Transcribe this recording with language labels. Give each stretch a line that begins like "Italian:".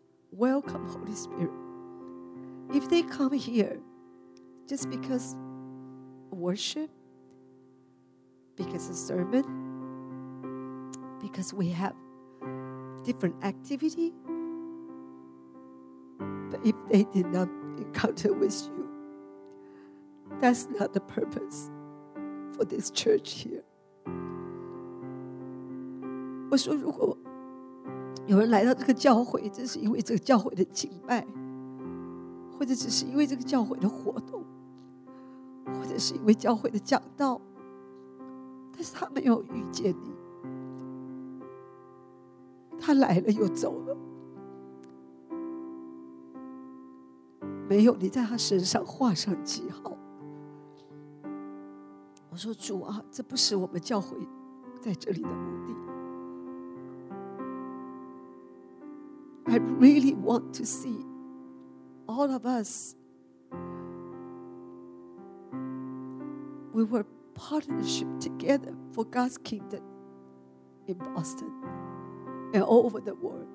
English: Welcome, Holy Spirit. If they come here just because of worship, because of sermon, because we have different activity, but if they did not encounter with you, that's not the purpose for this church here.
Chinese: 我说如果有人来到这个教会，这是因为这个教会的敬拜，或者只是因为这个教会的活动，或者是因为教会的讲道，但是他没有遇见你，他来了又走了，没有你在他身上画上记号。我说主啊，这不是我们教会在这里的目的。
English: I really want to see all of us. We were partnership together for God's kingdom in Boston and all over the world.